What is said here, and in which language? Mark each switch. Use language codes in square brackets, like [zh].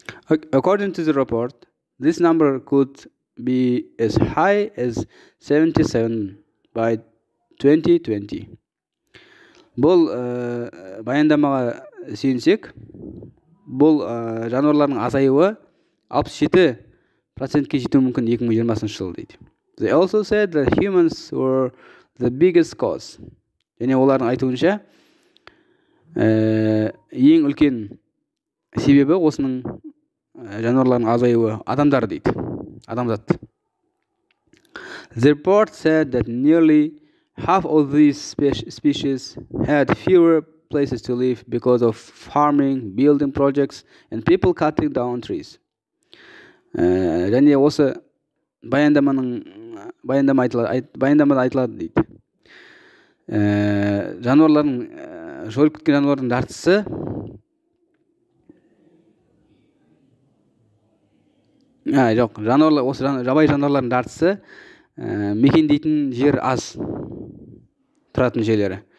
[en] According to the report, this number could be as high as 77 by 2020. [kk] Бұл баяндамаға сүйенсек, бұл жануарлардың азаюы 67%-ке жетуі мүмкін 2020 жылы дейді. [en] They also said that humans were the biggest cause. [kk] Және олардың айтуынша, ең үлкен себебі осының жануарлардың азаюы адамдар дейді. Адамзат. [en] The report said that nearly half of these species had fewer places to live because of farming, building projects and people cutting down trees. [kk] Және осы баяндамада айтылады дейді. Жойылып кеткен жануарлардың жартысы жабайы жануарлардың жартысы мекендейтін жер аз, тұратын жерлері.